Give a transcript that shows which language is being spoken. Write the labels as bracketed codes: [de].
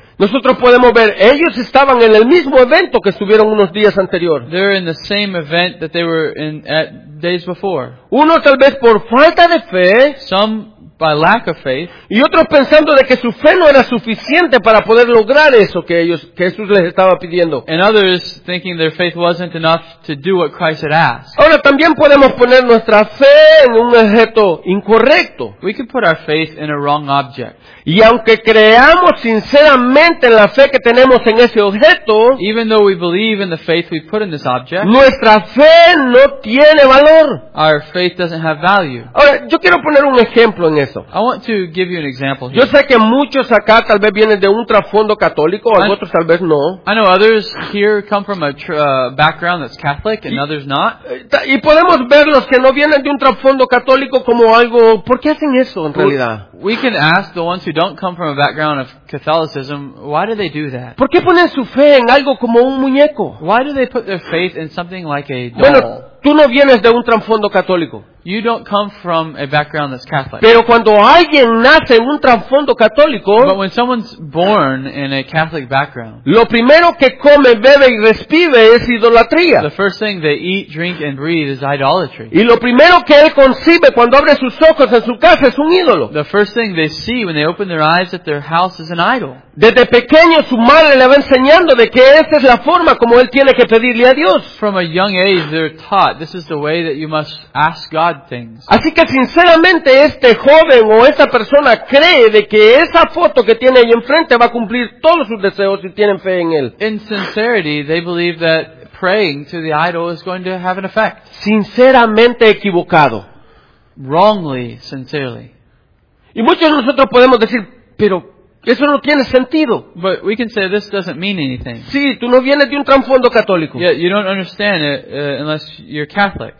[es] Nosotros podemos ver, ellos estaban en el mismo evento que estuvieron unos días anteriores. [en] They're in the same event that they were in at days before. [es] Uno tal vez por falta de fe. [en] Some by lack of faith. [es] Y otros pensando de que su fe no era suficiente para poder lograr eso que ellos, que Jesús les estaba pidiendo. [en] And others thinking their faith wasn't enough to do what Christ had asked. [es] Ahora también podemos poner nuestra fe en un objeto incorrecto. [en] We can put our faith in a wrong object. [es] Y aunque creamos sinceramente en la fe que tenemos en ese objeto, [en] even though we believe in the faith we put in this object, [es] nuestra fe no tiene valor. [en] Our faith doesn't have value. [es] Ahora yo quiero poner un ejemplo en eso. [en] I want to give you an example here. [es] Yo sé que muchos acá tal vez vienen de un trasfondo católico, otros tal vez no. [en] I know others here come from a background that's Catholic and others not. [es] Y podemos ver los que no vienen de un trasfondo católico como algo, ¿por qué hacen eso en realidad? [en] We can ask the ones who don't come from a background of Catholicism, why do they do that? [es] ¿Por qué ponen su fe en algo como un muñeco? [en] Why do they put their faith in something like a doll? [es] Bueno, tú no vienes de un trasfondo católico. [en] You don't come from a background that's Catholic. [es] Pero cuando alguien nace en un trasfondo católico, [en] but when someone's born in a Catholic background, [es] lo primero que come, bebe y respire es idolatría. [en] The first thing they eat, drink and breathe is idolatry. [es] Y lo primero que él concibe cuando abre sus ojos en su casa es un ídolo. [en] The first thing they see when they open their eyes at their house is an idol. [es] Desde pequeño su madre le va enseñando de que esta es la forma como él tiene que pedirle a Dios. [en] From a young age they're taught this is the way that you must ask God things. [es] Así que sinceramente este joven o esta persona cree de que esa foto que tiene ahí enfrente va a cumplir todos sus deseos si tienen fe en él. [en] In sincerity they believe that praying to the idol is going to have an effect. [es] Sinceramente equivocado. [en] Wrongly, sincerely. [es] Y muchos de nosotros podemos decir, pero eso no tiene sentido. [en] But we can say this doesn't mean anything. [es] Sí, tú no vienes de un trasfondo católico. [en] Yeah, you don't understand it unless you're Catholic.